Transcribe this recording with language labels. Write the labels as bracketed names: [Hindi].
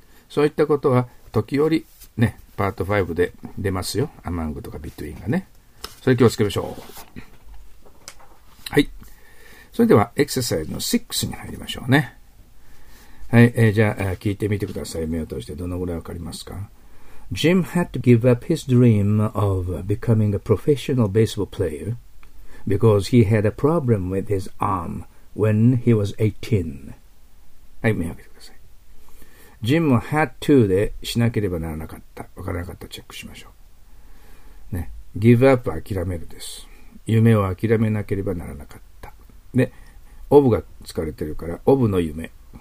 [Japanese] そういったことは時折ね、パート5で出ますよ。 among とか between がね。それ気をつけましょう。はい。それではエクササイズの6に入りましょうね。はい、じゃあ、聞いてみてください。目を通してどのぐらいわかりますか？ [English] Jim had to give up his dream of becoming a professional baseball player because he had a problem with his arm when he was 18. [Japanese] はい、目を開けてください。Jim は had to でしなければならなかった。わからなかったらチェックしましょう。ね。give up は諦めるです。夢を諦めなければならなかった。で、of が使われてるから、of の夢。